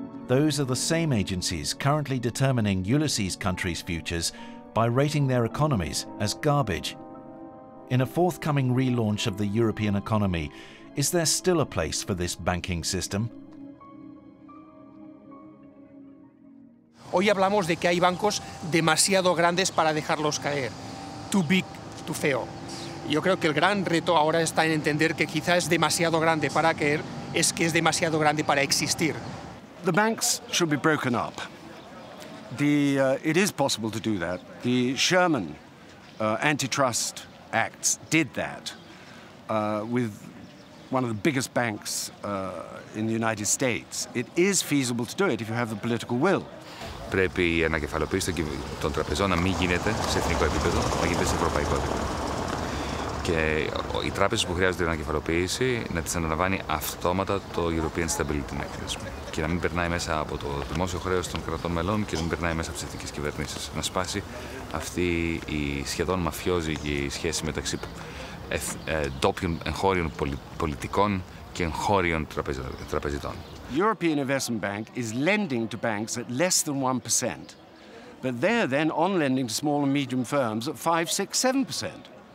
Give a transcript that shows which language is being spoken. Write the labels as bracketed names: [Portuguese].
[English] Those are the same agencies currently determining ULYSSES countries' futures by rating their economies as garbage. In a forthcoming relaunch of the European economy, Is there still a place for this banking system? [Spanish] Hoy hablamos de que hay bancos demasiado grandes para dejarlos caer. [English] Too big, too fail. [Spanish] Yo creo que el gran reto ahora está en entender que quizás es demasiado grande para caer, es que es demasiado grande para existir. [English] The banks should be broken up. It is possible to do that. The Sherman Antitrust Acts did that with one of the biggest banks in the United States. It is feasible to do it if you have the political will. [Greek] Πρέπει η ανακεφαλοποίηση των τραπεζών να μην γίνεται σε εθνικό επίπεδο, να γίνεται σε ευρωπαϊκό επίπεδο. Και οι τράπεζες που χρειάζονται την ανακεφαλοποίηση να τις αναλαμβάνει αυτόματα το European Stability Mechanism. Και να μην περνάει μέσα από το δημόσιο χρέος των κρατών μελών και να μην περνάει μέσα από τις εθνικές κυβερνήσεις. Να σπάσει αυτή η σχεδόν μαφιόζικη σχέση μεταξύ ντόπιων εγχώριων πολιτικών και εγχώριων τραπεζιτών. [English] European Investment Bank is lending to banks at less than 1%, but they're then on lending to small and medium firms at 5, 6, 7%.